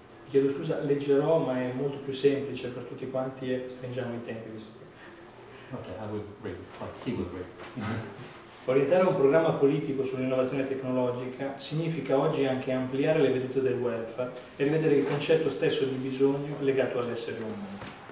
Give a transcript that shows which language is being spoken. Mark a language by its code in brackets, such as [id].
[it] Chiedo scusa, leggerò, ma è molto più semplice per tutti quanti e stringiamo i tempi. [en] Okay, I will read, but he will read. [it] Orientare un programma politico sull'innovazione tecnologica significa oggi anche ampliare le vedute del welfare e rivedere il concetto stesso di bisogno legato all'essere umano.